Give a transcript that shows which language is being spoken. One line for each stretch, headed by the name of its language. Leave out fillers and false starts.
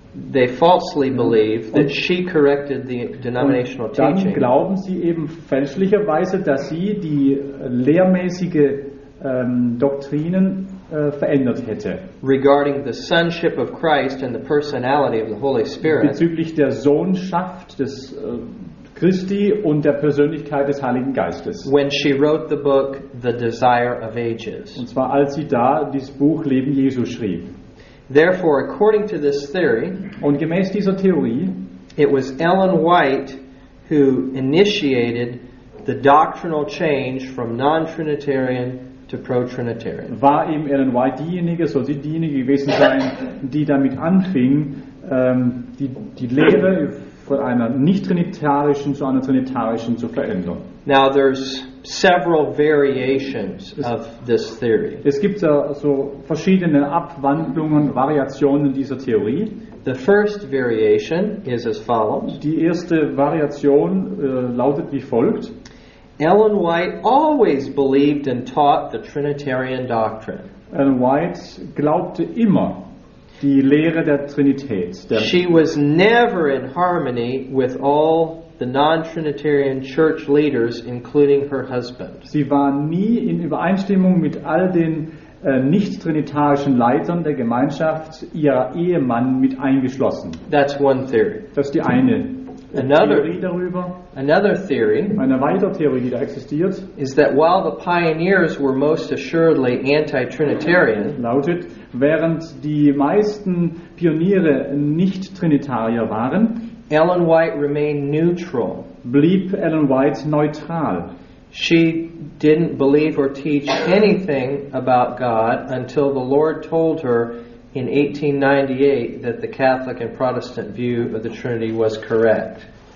English: They falsely believe that she corrected the denominational teaching.
German: Und dann glauben sie eben fälschlicherweise, dass sie die lehrmäßige Doktrinen verändert hätte.
English: Regarding the sonship of Christ and the personality of the Holy Spirit.
German: Bezüglich der Sohnschaft des Christi und der Persönlichkeit des Heiligen Geistes.
English: When she wrote the book The Desire of Ages.
German: Und zwar als sie da dieses Buch Leben Jesu schrieb.
English: Therefore, according to this theory,
German: und gemäß dieser Theorie,
English: it was Ellen White who initiated the doctrinal change from non-Trinitarian to pro-Trinitarian.
German: War eben Ellen White diejenige, soll sie diejenige gewesen sein, die damit anfing, die Lehre von einer nicht-trinitarischen zu einer trinitarischen zu verändern.
English: Now there's several variations of this theory.
German: Es gibt so verschiedene Abwandlungen, Variationen dieser Theorie.
English: The first variation is as follows.
German: Die erste Variation lautet wie folgt.
English: Ellen White always believed and taught the Trinitarian doctrine.
German: Ellen White glaubte immer die Lehre der Trinität.
English: She was never in harmony with all the non-Trinitarian church leaders, including her husband.
German: Sie war nie in Übereinstimmung mit all den nicht-trinitarischen Leitern der Gemeinschaft, ihr Ehemann mit eingeschlossen.
English: That's one theory.
German: Das ist die eine Theorie darüber.
English: Another theory,
German: eine weitere Theorie, die da existiert,
English: is that while the pioneers were most assuredly anti-Trinitarian,
German: lautet, während die meisten Pioniere nicht-Trinitarier waren,
English: Ellen White remained neutral.
German: Blieb Ellen White neutral.
English: She didn't believe or teach anything about God until the Lord told her in 1898 that the Catholic and Protestant view of the Trinity was correct.